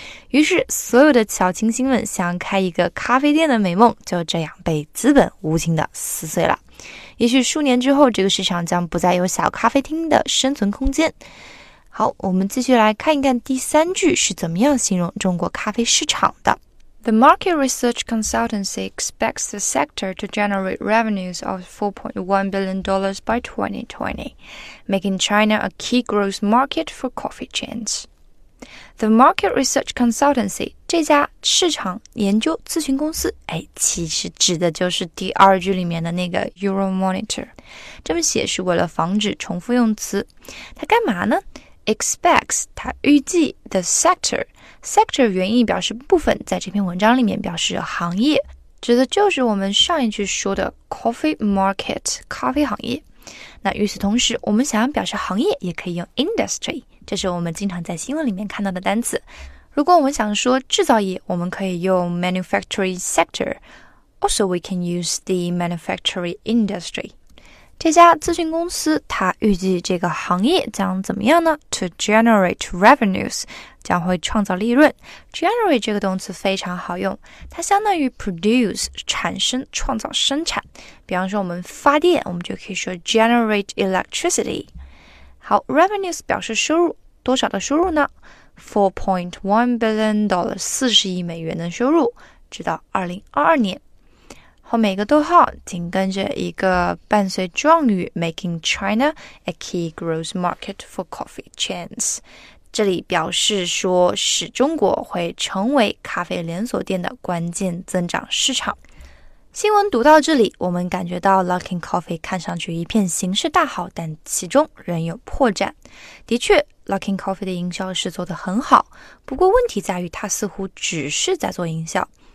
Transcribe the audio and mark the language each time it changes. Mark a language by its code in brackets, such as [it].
[zh] 于是所有的小清新们想开一个咖啡店的美梦就这样被资本无情地撕碎了。也许数年之后这个市场将不再有小咖啡厅的生存空间。好，我们继续来看一看第三句是怎么样形容中国咖啡市场的。 [en] The market research consultancy expects the sector to generate revenues of $4.1 billion by 2020, making China a key growth market for coffee chains. The Market Research Consultancy, [zh] 这家市场研究咨询公司，哎，其实指的就是第二句里面的那个 Euromonitor。这么写是为了防止重复用词。它干嘛呢？ Expects, 它预计 the sector。 Sector 原意表示部分，在这篇文章里面表示行业，指的就是我们上一句说的 [en] coffee market, [zh] 咖啡行业。那与此同时，我们想要表示行业也可以用 industry。这是我们经常在新闻里面看到的单词。如果我们想说制造业，我们可以用 [en] manufacturing sector. Also, we can use the manufacturing industry. [zh] 这家咨询公司，它预计这个行业将怎么样呢？ [en] To generate revenues, [zh] 将会创造利润。 Generate 这个动词非常好用，它相当于 produce, 产生、创造、生产。比方说我们发电，我们就可以说 [en] generate electricity。 [zh] 好 ,revenues 表示收入，多少的收入呢？ $4.1 billion, 40亿美元的收入，直到2022年。后每个逗号紧跟着一个伴随状语 [en] making China a key growth market for coffee chains。 [zh] 这里表示说使中国会成为咖啡连锁店的关键增长市场。新闻读到这里，我们感觉到 Luckin Coffee 看上去一片形势大好，但其中仍有破绽。的确 ,Luckin Coffee 的营销是做得很好，不过问题在于它似乎只是在做营销。